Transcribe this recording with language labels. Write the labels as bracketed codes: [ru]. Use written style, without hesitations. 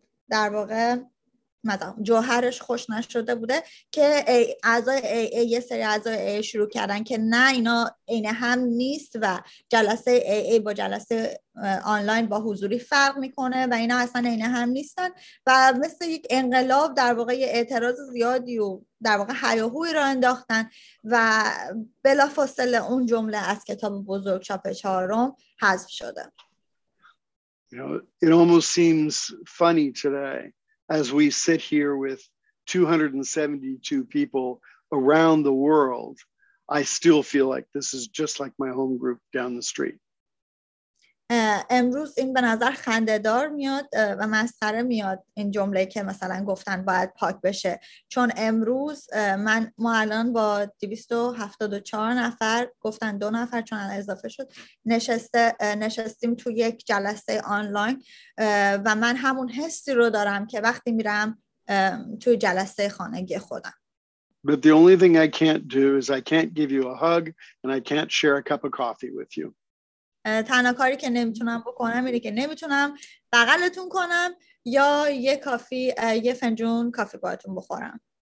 [fa] در واقع مثلا جوهرش خوش نشده بوده که اعضای AA یه سری اعضای AA شروع کردن که نه اینا عین هم نیست و جلسه AA با جلسه آنلاین با حضوری فرق میکنه و اینا اصلا عین هم نیستن و مثل یک انقلاب در واقع یه اعتراض زیادی و در واقع هیاهوی را انداختن و بلافاصله اون جمله از کتاب بزرگ چاپ چهارم حذف شده. [en] It almost seems funny today as we sit here with 272 people around the world, I still feel like this is just like my home group down the street. [fa] امروز این به نظر خنده‌دار میاد و مسخره میاد این جمله که مثلا گفتن باید پاک بشه چون امروز من ما الان با 274 نفر گفتن دو نفر چون الان اضافه شد نشستیم تو یک جلسه آنلاین و من همون حسی رو دارم که وقتی میرم تو جلسه خانگی خودم. [en] But the only thing I can't do is I can't give you a hug and I can't share a cup of coffee with you. [fa] تنها کاری که نمیتونم بکنم اینه که نمیتونم بغلتون کنم یا یه کافی یه فنجون کافی باهاتون بخورم.